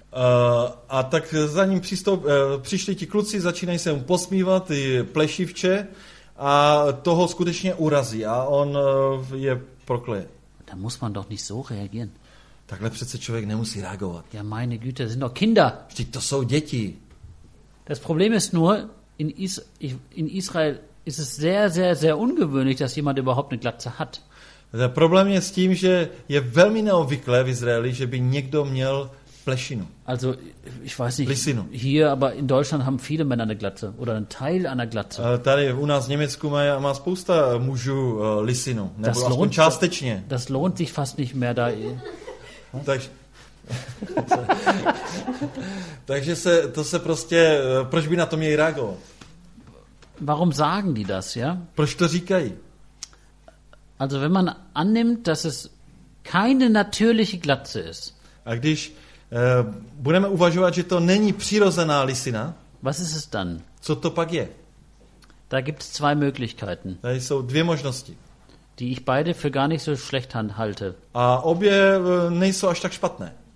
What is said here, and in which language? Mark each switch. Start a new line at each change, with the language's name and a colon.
Czech: A tak za ním přišli ti kluci, začínají se mu posmívat, ty plešivče, a toho skutečně urazí a on je prokleje.
German: Da muss man doch nicht so reagieren.
Czech: Takhle přece člověk nemusí reagovat.
German: Ja, meine Güte, sind doch Kinder.
Czech: Vždyť to jsou děti.
German: Das Problem ist nur, in Israel ist es sehr, sehr, sehr ungewöhnlich, dass jemand überhaupt eine Glatze hat.
Czech: Problém je s tím, že je velmi neobvyklé v Izraeli, že by někdo měl plešinu.
German: Also, ich weiß nicht,
Czech: Lysinu.
German: Hier, aber in Deutschland haben viele Männer eine Glatze oder einen Teil einer Glatze.
Czech: Tady u nás v Německu má spousta mužů lisinu, nebo das aspoň lohnt, částečně.
German: Das lohnt sich fast nicht mehr da.
Czech: Takže to se prostě, proč by na to měli reagovat?
German: Warum sagen die das, ja?
Czech: Proč to říkají?
German: Also, wenn man annimmt, dass es keine natürliche Glatze ist.
Czech: A když Budeme uvažovat, že to není přirozená lisina.
German: Was ist es dann?
Czech: Co to pak je?
German: Da gibt es zwei Möglichkeiten.
Czech: Da jsou dvě možnosti.
German: Die ich beide für gar nicht so schlecht halte.
Czech: A obě nejsou až tak špatné.